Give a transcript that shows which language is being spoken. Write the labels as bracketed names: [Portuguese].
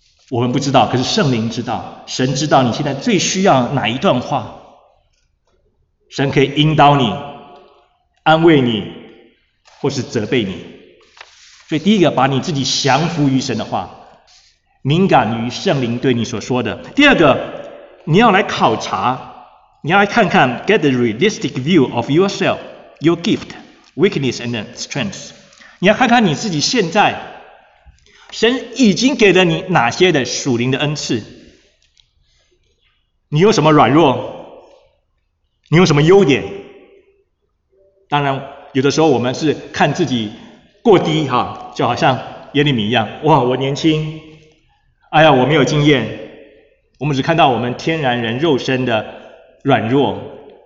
[Chinese] 我们不知道，可是圣灵知道，神知道你现在最需要哪一段话。神可以引导你，安慰你，或是责备你。所以第一个，把你自己降服于神的话，敏感于圣灵对你所说的。第二个，你要来考察，你要来看看 [English] get the realistic view of yourself, your gift, weakness and strengths。 [Chinese] 你要看看你自己现在神已经给了你哪些的属灵的恩赐，你有什么软弱，你有什么优点。当然有的时候我们是看自己过低，就好像耶利米一样，哇，我年轻，哎呀，我没有经验，我们只看到我们天然人肉身的软弱。